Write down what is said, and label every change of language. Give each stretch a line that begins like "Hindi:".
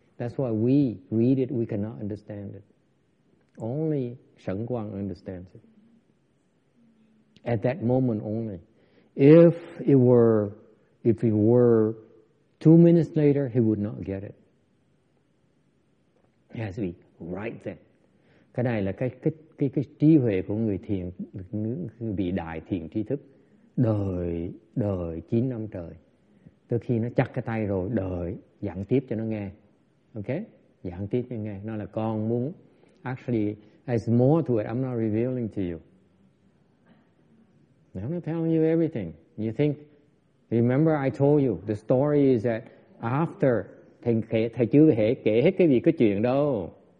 English: That's why we read it, we cannot understand it. Only Sheng Guang understands it. At that moment only. If it were 2 minutes later, he would not get it. It has to be right there.
Vietnamese: Cái này là cái trí huệ của người thiền, vị đại thiền tri thức. Đợi 9 năm trời. Tới khi nó chắc cái tay rồi, đợi, giảng tiếp cho nó nghe. Ok? Giảng tiếp cho nghe. Nó là con muốn,
English: actually, there's more to it, I'm not revealing to you. I'm not telling you everything. You think, remember I told you, the story is that after,
Vietnamese: thầy chưa kể hết cái việc cái chuyện đâu.